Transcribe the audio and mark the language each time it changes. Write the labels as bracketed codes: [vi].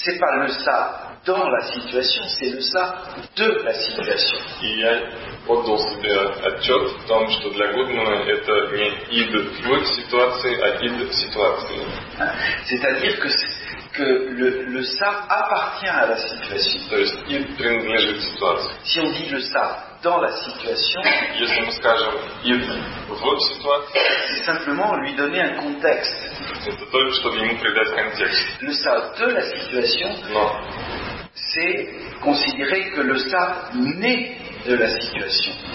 [fr] И dans la situation, c'est le ça de la situation. [ru] Et я отдал себе отчет в том, что для Гудмана это не ид в ситуации, а ид в ситуации. [fr] C'est-à-dire que le ça appartient à la situation. [ru] То есть ид принадлежит ситуации. [fr] Si on dit le ça dans la situation, [ru] если мы скажем ид в ситуации, [fr] c'est simplement lui donner un contexte. [ru] Это только чтобы ему придать контекст. [fr] Le ça de la situation. Non. C'est considérer que le ça naît de la situation.